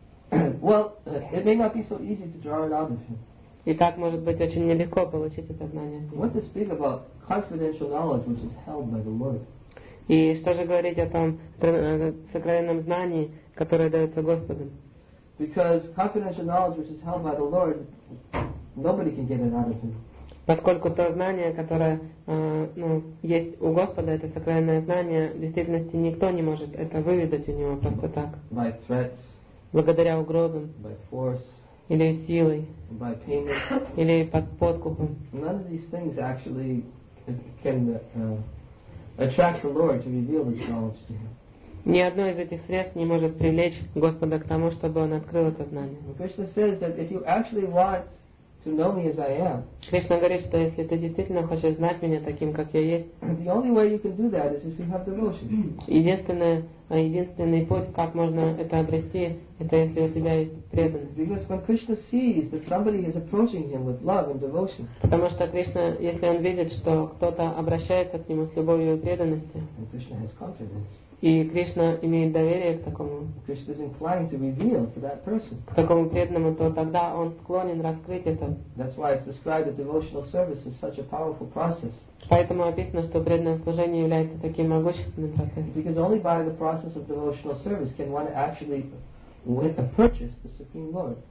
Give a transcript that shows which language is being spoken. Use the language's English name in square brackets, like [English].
[English] It may not be so easy to draw it out of him. [Russian] И так может быть очень нелегко получить это знание. [English] What to speak about confidential knowledge which is held by the Lord? [Russian] И что же говорить о том сокровенном знании, которое дается Господом? [English] Because confidential knowledge which is held by the Lord, nobody can get it out of him. [Russian] Поскольку то знание, которое есть у Господа, это сокровенное знание, в действительности никто не может это выведать у него просто так. [English] By threats, [Russian] благодаря угрозам. [English] By force, [Russian] или силой. [English] By payment, [Russian] или под подкупом. [English] None of these things actually can attract the Lord to reveal this knowledge to him. [Russian] Ни одно из этих средств не может привлечь Господа к тому, чтобы он открыл это знание. [English] Krishna says that if you actually want to know me as I am. [Russian] Кришна говорит, что если ты действительно хочешь знать меня таким, как я есть. [English] The only way you can do that is if you have devotion. [Russian] Единственный путь, как можно это обрести, это если у тебя есть преданность. [English] Because when Krishna sees that somebody is approaching him with love and devotion. [Russian] Потому что Кришна, если он видит, что кто-то обращается к нему с любовью и преданностью. [English] And Krishna has confidence. [Russian] И Кришна имеет доверие к такому. [English] Krishna is inclined to reveal to that person. [Russian] К такому преданному, то тогда он склонен раскрыть это. [English] That's why it's described that devotional service is such a powerful process. [Russian] Поэтому описано, что преданное служение является таким могущественным процессом. [English] Because only by the process of devotional service can one actually win or purchase the Supreme Lord.